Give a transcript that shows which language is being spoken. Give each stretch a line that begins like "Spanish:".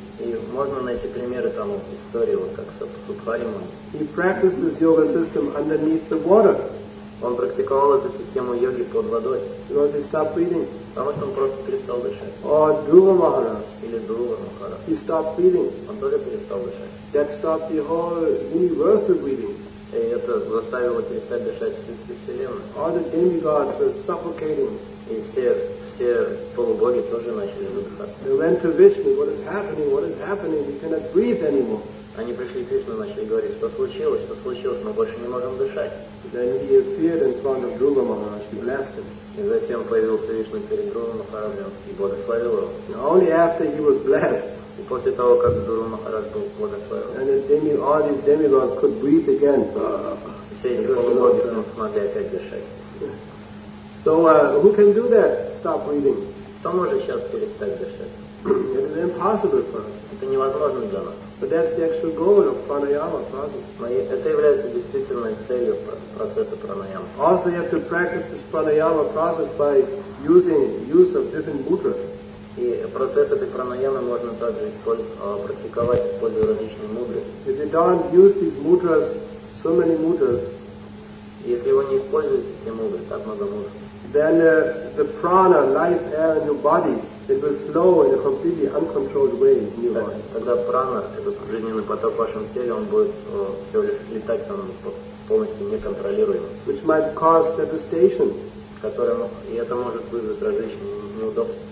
Russian: И можно найти примеры там истории, вот как Субхари Муни.
English: He practiced this yoga system underneath the water.
Russian: Он практиковал эту систему йоги под водой.
English: Because he stopped breathing.
Russian: Потому что он просто перестал дышать.
English: Or Dhruva Maharaj.
Russian: Или Dhruva Maharaj.
English: He stopped breathing.
Russian: Он тоже перестал дышать.
English: That stopped the whole universe of breathing.
Russian: И это заставило перестать дышать всю Вселенную.
English: All the demigods were suffocating.
Russian: И все полубоги тоже начали выдыхаться.
English: They went to Vishnu. What is happening? What is happening? We cannot breathe anymore.
Russian: Они пришли к Вишну и начали говорить, что случилось? Что случилось? Мы больше не можем дышать.
English: Then he appeared in front of Dhruva Maharaj. He blessed him.
Russian: И затем появился Вишну перед Дхрува Махараджем и благословил его.
English: Only after he was blessed.
Russian: И после того, как Дхрува Махарадж был благословил.
English: And then all these demigods could breathe again.
Russian: Все эти полубоги смогли опять дышать.
English: So who can do that? Stop breathing.
Russian: Кто может сейчас перестать дышать?
English: It is impossible for us.
Russian: Это невозможно для нас.
English: But that's the actual goal of pranayama process.
Russian: Но это является действительной целью процесса пранаямы.
English: Also, you have to practice this pranayama process by using use of different mudras.
Russian: И процесс этой пранаямы можно также практиковать, используя различные мудры.
English: If you don't use these mudras, so many mudras.
Russian: Если вы не используете эти мудры, так много мудр.
English: Then the prana, life, air in your body, it will flow in a completely uncontrolled way in your body.
Russian: Тогда прана, этот жизненный поток в вашем теле, он будет все лишь летать там полностью неконтролируемо.
English: Which might cause devastation.
Russian: И это может вызвать различные неудобства.